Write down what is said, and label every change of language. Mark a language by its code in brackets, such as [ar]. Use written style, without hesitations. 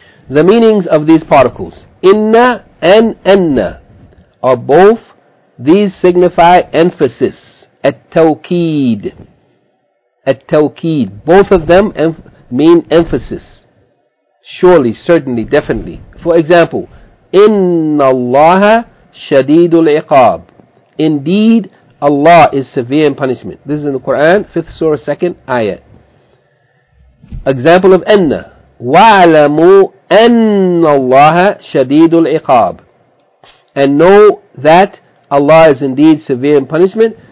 [en] The meanings of these particles, inna and anna, are both, these signify emphasis, at-tawqeed. At-tawqeed. Both of them mean emphasis. Surely, certainly, definitely. For example, [ar] إِنَّ اللَّهَ شَدِيدُ الْعِقَابِ. [en] Indeed, Allah is severe in punishment. This is in the Quran, 5th Surah, 2nd Ayat. Example of أَنَّ. [ar] وَعْلَمُوا أَنَّ اللَّهَ شَدِيدُ الْعِقَابِ. [en] And know that Allah is indeed severe in punishment.